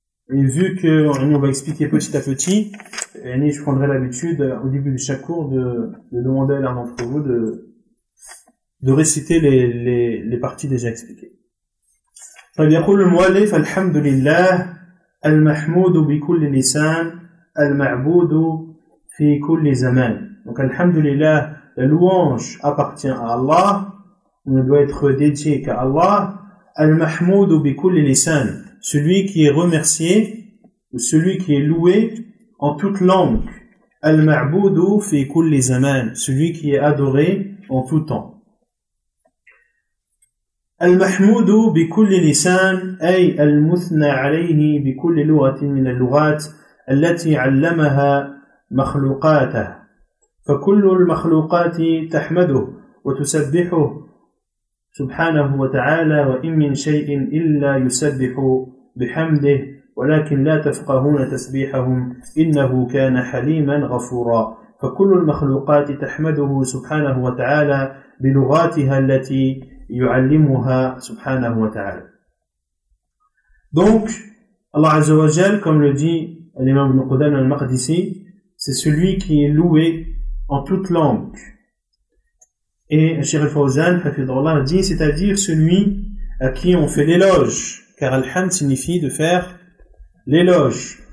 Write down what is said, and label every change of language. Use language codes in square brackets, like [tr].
[fr] Et vu que, on va expliquer petit à petit, yani, je prendrai l'habitude, au début de chaque cours, de demander à l'un d'entre vous de réciter les parties déjà expliquées. [ar] طيب يقول المؤلف الحمد لله المحمود بكل لسان المعبود في كل زمان. [fr] Donc [ar] الحمد لله, [fr] la louange appartient à Allah, on doit être dédié qu'à Allah. [ar] المحمود بكل لسان, [fr] celui qui est remercié ou celui qui est loué en toute langue. [ar] المعبود في كل زمان, [fr] celui qui est adoré en tout temps. [ar] المحمود بكل لسان أي المثنى عليه بكل لغة من اللغات التي علمها مخلوقاته فكل المخلوقات تحمده وتسبحه سبحانه وتعالى وإن من شيء إلا يسبح بحمده ولكن لا تفقهون تسبيحهم إنه كان حليما غفورا فكل المخلوقات تحمده سبحانه وتعالى بلغاتها التي يعلمها سبحانه وتعالى. [fr] Donc Allah Azza wa Jal, comme le dit l'imam Ibn Qudam al-Maqdisi, c'est celui qui est loué en toute langue. Et Cheikh Al-Fawzan Hafidhahullah dit, c'est-à-dire celui à qui on fait l'éloge, car Al-Hamd signifie de faire l'éloge.